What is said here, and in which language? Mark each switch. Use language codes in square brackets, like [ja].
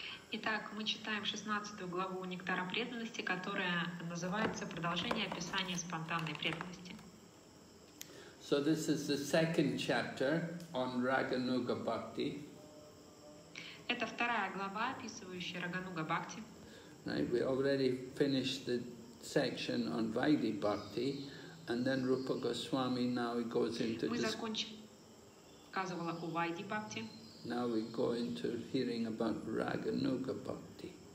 [ru] Итак, мы читаем 16 главу Нектара преданности, которая называется Продолжение описания спонтанной преданности. [en] So this is the second chapter on Raganuga Bhakti. [ru] Это вторая глава, описывающая Рагануга Бхакти. [en] Right, we already finished the section on Vaidhi Bhakti. And then Rupa Goswami, now he goes into now we go into hearing about Raganuga Bhakti.